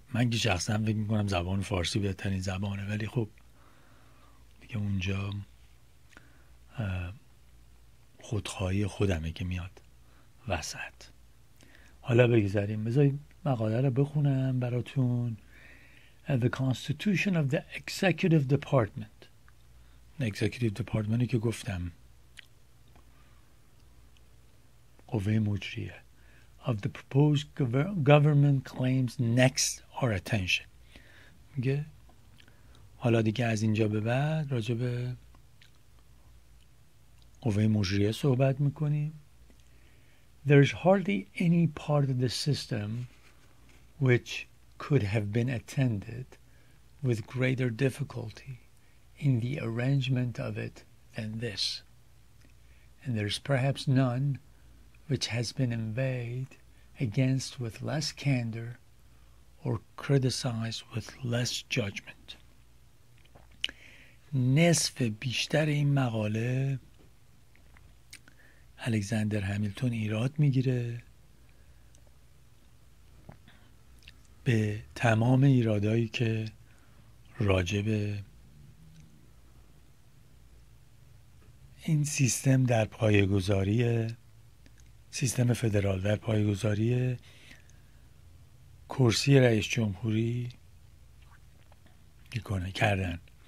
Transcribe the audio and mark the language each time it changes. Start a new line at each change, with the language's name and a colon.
Persian: من که شخصا فکر میکنم زبان فارسی بهترین زبانه، ولی خب دیگه اونجا خودخواهی خودمه که میاد وسط. حالا بگذاریم، بذارید مقاله رو بخونم براتون.
English: The Constitution of the Executive Department. Executive Department
Persian: که گفتم قوه مجریه.
English: Of the proposed government claims next our attention.
Persian: میگه حالا دیگه از اینجا به بعد راجع به قوه مجریه صحبت میکنیم.
English: There is hardly any part of the system which could have been attended with greater difficulty in the arrangement of it than this. And there is perhaps none which has been inveighed against with less candor or criticized with less judgment.
Persian: نصف بیشتر این مقاله الکساندر همیلتون ایراد میگیره، به تمام ایرادایی که راجب این سیستم در پایه‌گذاری سیستم فدرال در پایه‌گذاری کرسی رئیس جمهوری میکنه کردن.